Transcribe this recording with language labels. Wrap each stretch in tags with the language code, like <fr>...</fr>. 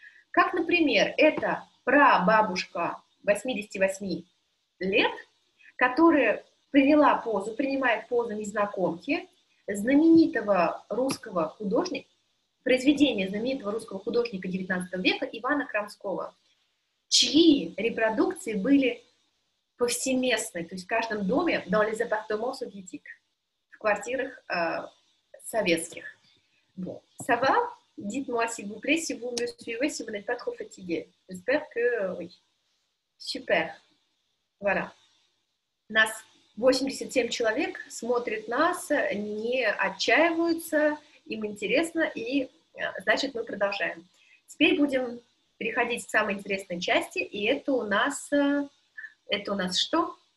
<ru>Как, например, это прабабушка 88 лет, которая приняла позу, принимает позу незнакомки, знаменитого русского художника, произведение знаменитого русского художника 19 века Ивана Крамского, чьи репродукции были повсеместны, то есть в каждом доме,</ru> <fr>dans les appartements soviétiques,</fr> <ru>в квартирах советских.</ru> <fr>Bon. Ça va? Dites-moi, s'il vous plaît, si vous me suivez, si vous n'êtes pas trop fatigué. J'espère que oui. Super. Voilà.</fr> <ru>Нас 87 человек смотрят нас, не отчаиваются, им интересно, и значит, мы продолжаем. Теперь будем переходить к самой интересной части, и это у нас что?</ru>